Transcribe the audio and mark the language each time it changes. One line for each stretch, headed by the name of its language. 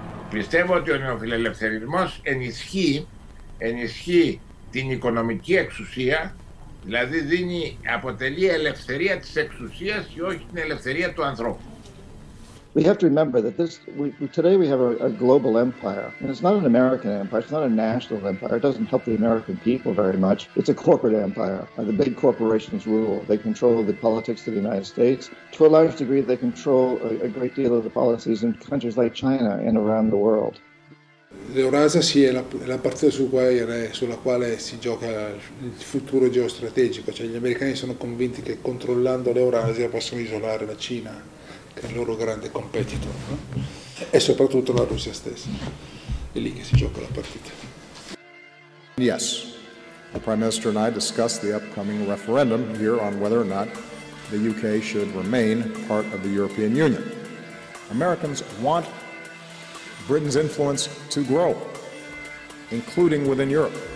Greek: Πιστεύω ότι ο νεοφιλελευθερισμός ενισχύει την οικονομική εξουσία, δηλαδή δίνει, αποτελεί ελευθερία της εξουσίας και όχι την ελευθερία του ανθρώπου.
English: We have to remember that today we have a global empire. And it's not an American empire, it's not a national empire, it doesn't help the American people very much. It's a corporate empire. The big corporations rule. They control the politics of the United States. To a large degree, they control a great deal of the policies in countries like China and around the world.
Italian: L'Eurasia sì, è la partita sulla quale si gioca il futuro geostrategico. Cioè, gli americani sono convinti che controllando l'Eurasia possono isolare la Cina, che è il loro grande competitor, no? E soprattutto la Russia stessa. È lì che si gioca la partita.
English: Yes, the Prime Minister and I discussed the upcoming referendum here on whether or not the UK should remain part of the European Union. Americans want Britain's influence to grow, including within Europe.